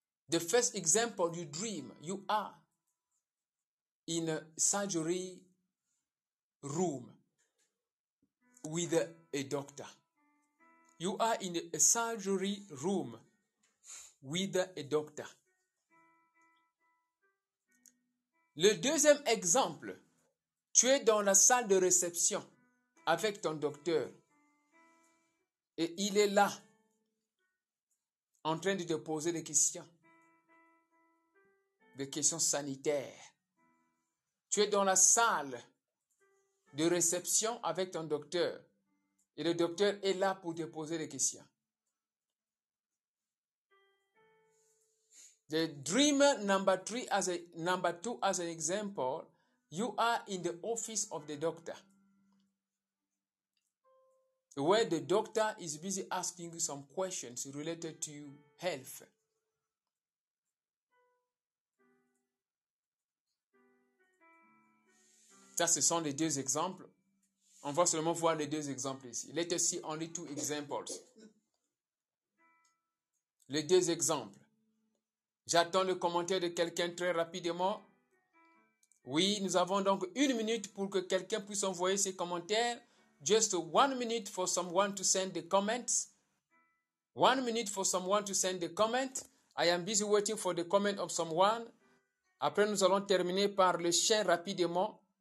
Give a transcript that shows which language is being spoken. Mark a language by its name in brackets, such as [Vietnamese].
[English] The first example you dream, you are in a surgery room with a doctor. You are in a surgery room with a doctor. [French] Le deuxième exemple, tu es dans la salle de réception avec ton docteur et il est là en train de te poser des questions. Des questions sanitaires. Tu es dans la salle de réception avec ton docteur et le docteur est là pour te poser des questions. [English] The dream number three, as a number two, as an example, you are in the office of the doctor where the doctor is busy asking some questions related to health. [French] Ça, ce sont les deux exemples. On va seulement voir les deux exemples ici. [English] Let us see only two examples. [French] Les deux exemples. J'attends le commentaire de quelqu'un très rapidement. Oui, nous avons donc une minute pour que quelqu'un puisse envoyer ses commentaires. [English] Just 1 minute for someone to send the comments. 1 minute for someone to send the comment. I am busy waiting for the comment of someone. [French] Après, nous allons terminer par le chien rapidement.